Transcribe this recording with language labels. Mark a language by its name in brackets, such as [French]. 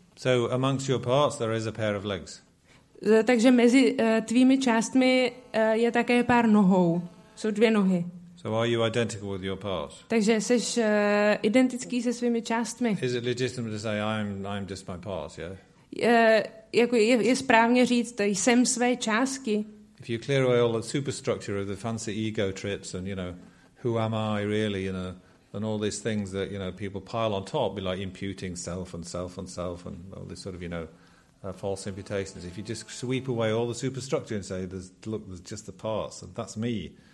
[English] So amongst your parts there is a pair of legs. [Czech] Takže mezi tvými částmi je také pár nohou. Jsou dvě nohy. [English] So are you identical with your parts? [Czech] Takže seš identický se svými částmi. [English] Is it legitimate to say I'm just my parts, yeah? [Czech] Je správně říct, jsem své částky. [English] If you clear away all the superstructure of the fancy ego trips and you know who am I really, you know, and all these things that you know people pile on top, be like imputing self and self and self and all these sort of you know false imputations. If you just sweep away all the superstructure and say, there's just the parts and that's me.